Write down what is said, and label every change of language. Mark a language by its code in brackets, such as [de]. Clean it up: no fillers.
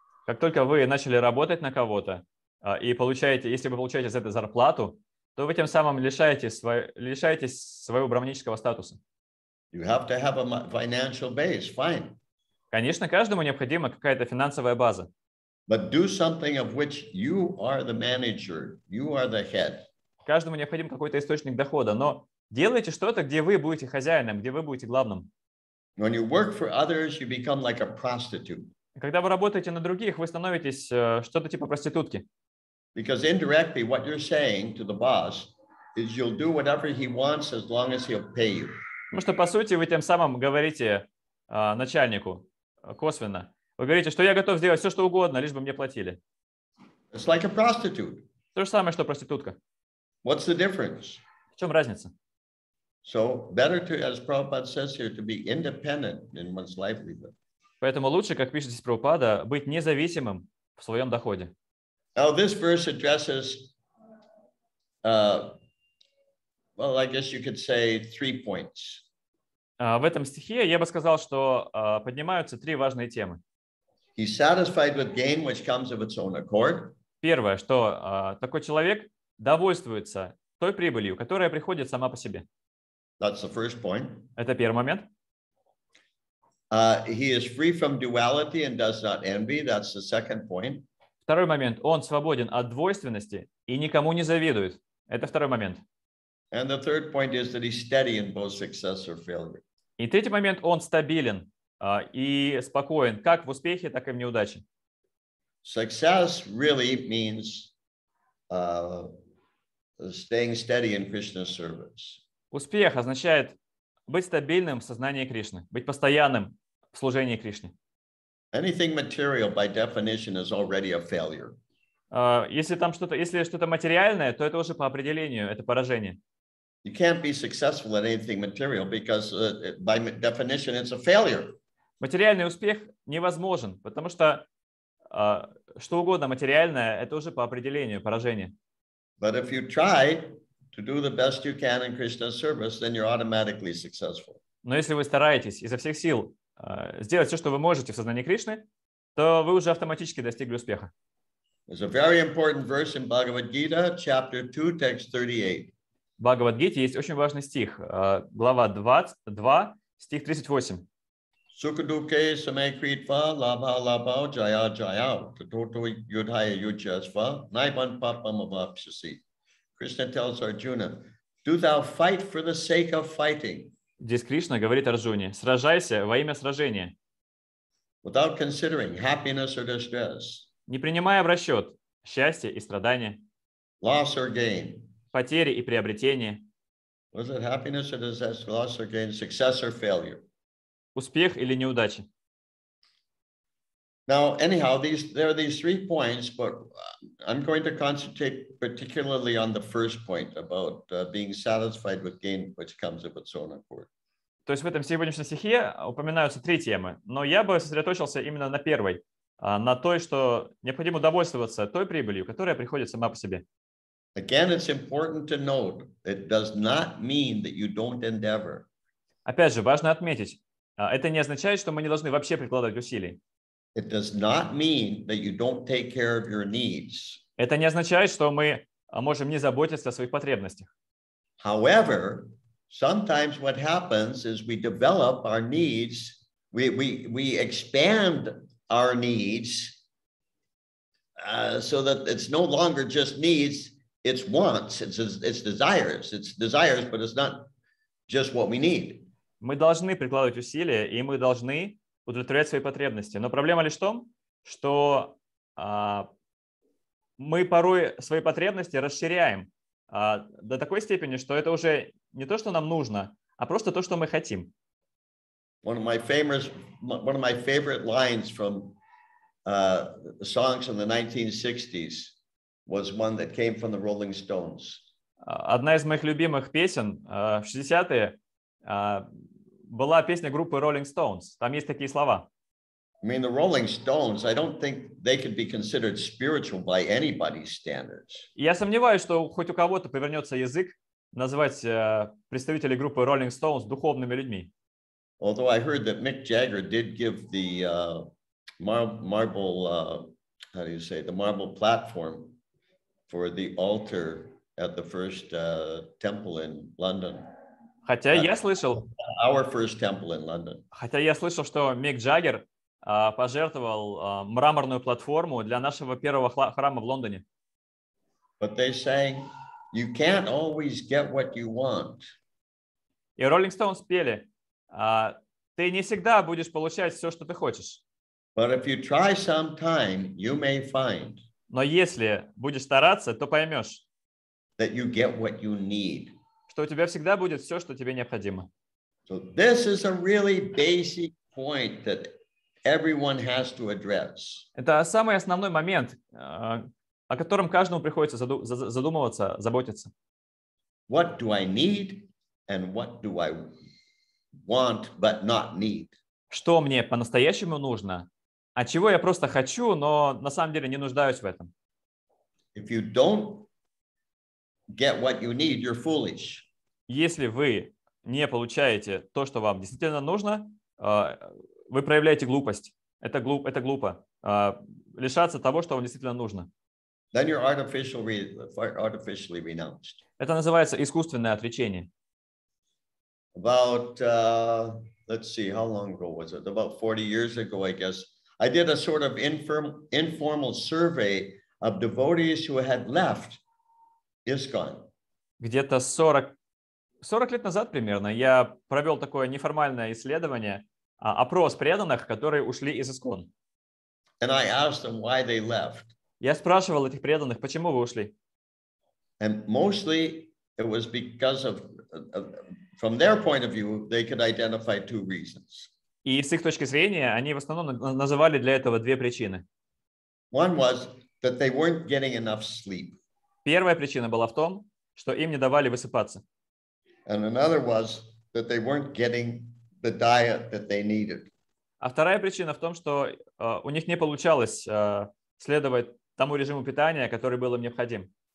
[ru] Как только вы начали работать на кого-то и получаете, если вы получаете за это зарплату, то вы тем самым лишаетесь своего брахманического статуса. [en] You have to have a financial base. Fine. [ru] Конечно, каждому необходима какая-то финансовая база. [en] But do something of which you are the manager, you are the head. [ru] Каждому необходим какой-то источник дохода, но делайте что-то, где вы будете хозяином, где вы будете главным. [en] When you work for others, you become like a prostitute. [ru] Когда вы работаете на других, вы становитесь что-то типа проститутки. [en] Because indirectly what you're saying to the boss is you'll do whatever he wants as long as he'll pay you. [ru] Потому что, по сути, вы тем самым говорите начальнику косвенно. Вы говорите, что я готов сделать все, что угодно, лишь бы мне платили. [en] It's like a prostitute. [ru] То же самое, что проститутка. [en] What's the difference? [ru] В чем разница? [en] So better to, as Prabhupada says here, to be independent in one's livelihood. [ru] Поэтому лучше, как пишет здесь Прабхупада, быть независимым в своем доходе. [en] Now this verse addresses, well, I guess you could say three points. [ru] В этом стихе я бы сказал, что поднимаются три важные темы. [en] He's satisfied with gain, which comes of its own accord. [ru] Первое, что такой человек довольствуется той прибылью, которая приходит сама по себе. [en] That's the first point. [ru] Это первый момент. [en] He is free from duality and does not envy. That's the second point. [ru] Второй момент. Он свободен от двойственности и никому не завидует. Это второй момент. [en] And the third point is that he's steady in both success or failure. [ru] И третий момент. Он стабилен и спокоен как в успехе, так и в неудаче. [en] Success really means staying steady in Krishna's service. [ru] Успех означает быть стабильным в сознании Кришны, быть постоянным в служении Кришне. [en] Anything material by definition is already a failure. [ru] Если что-то материальное, то это уже по определению это поражение. [en] You can't be successful at anything material because by definition it's a failure. [ru] Материальный успех невозможен, потому что что угодно материальное это уже по определению поражение. [en] But if you try to do the best you can in Krishna's service, then you're automatically successful. [ru] Но если вы стараетесь изо всех сил сделать все, что вы можете в сознании Кришны, то вы уже автоматически достигли успеха. [en] There's a very important verse in Bhagavad Gita, chapter 2, text 38. [ru] В Бхагавад Гите есть очень важный стих, глава 22, стих 38. [sa] Сукадуке самекритва лаба лабао джая джаяо татото юдхая юджасва найбан папам абапшаси. [en] Krishna tells Arjuna, do thou fight for the sake of fighting. [ru] Здесь Кришна говорит Арджуне, сражайся во имя сражения. [en] Without considering happiness or distress. [ru] Не принимая в расчет счастье и страдания. [en] Loss or gain. [ru] Потери и приобретения. [en] Was it happiness or disaster, loss or gain, success or failure? [ru] Успех или неудача? [en] Now, anyhow, there are these three points, but I'm going to concentrate particularly on the first point about being satisfied with gain, which comes of its own accord. [ru] То есть в этом сегодняшнем стихе упоминаются три темы, но я бы сосредоточился именно на первой, на той, что необходимо довольствоваться той прибылью, которая приходит сама по себе. [en] Again, it's important to note it does not mean that you don't endeavor. [ru] Опять же, важно отметить, это не означает, что мы не должны вообще прикладывать усилий. [en] It does not mean that you don't take care of your needs. [ru] Это не означает, что мы можем не заботиться о своих потребностях. [en] However, sometimes what happens is we develop our needs, we expand our needs, so that it's no longer just needs. It's wants, it's desires. It's desires, but it's not just what we need. [ru] Мы должны прикладывать усилия, и мы должны удовлетворять свои потребности. Но проблема лишь в том, что мы порой свои потребности расширяем до такой степени, что это уже не то, что нам нужно, а просто то, что мы хотим. [en] One of my favorite lines from songs in the 1960s. Was one that came from the Rolling Stones. [ru] Одна из моих любимых песен в 60-е была песня группы Rolling Stones. Там есть такие слова. [en] I mean, the Rolling Stones, I don't think they could be considered spiritual by anybody's standards. [ru] Я сомневаюсь, что хоть у кого-то повернется язык назвать представителей группы Rolling Stones духовными людьми. [en] Although I heard that Mick Jagger did give the marble platform for the altar at the first temple in London. Our first temple in London. [ru] Хотя я слышал, что Мик Джаггер пожертвовал мраморную платформу для нашего первого храма в Лондоне. [en] But they sang, you can't always get what you want. [ru] И Rolling Stones пели, ты не всегда будешь получать все, что ты хочешь. [en] But if you try sometime, you may find. [ru] Но если будешь стараться, то поймешь, [en] that you get what you need. [ru] Что у тебя всегда будет все, что тебе необходимо. [en] So this is a really basic point that everyone has to address. [ru] Это самый основной момент, о котором каждому приходится задумываться, заботиться. [en] What do I need and what do I want, but not need? [ru] Что мне по-настоящему нужно? А чего я просто хочу, но на самом деле не нуждаюсь в этом? [en] If you don't get what you need, you're foolish. [ru] Если вы не получаете то, что вам действительно нужно, вы проявляете глупость. Это глупо. Лишаться того, что вам действительно нужно. [en] Then you're artificially renounced. [ru] Это называется искусственное отречение. [en] About, let's see, how long ago was it? About 40 years ago, I guess. I did a sort of informal survey of devotees who had left ISKCON. [ru] Где-то 40 лет назад примерно я провел такое неформальное исследование, опрос преданных, которые ушли из ISKCON. [en] And I asked them why they left. [ru] Я спрашивал этих преданных, почему вы ушли. [en] And mostly it was because of, from their point of view, they could identify two reasons. [ru] И с их точки зрения, они в основном называли для этого две причины. [en] One was that they weren't getting enough sleep. [ru] Первая причина была в том, что им не давали высыпаться. [en] And another was that they weren't getting the diet that they needed. [ru] А вторая причина в том, что у них не получалось следовать тому режиму питания, который был им необходим.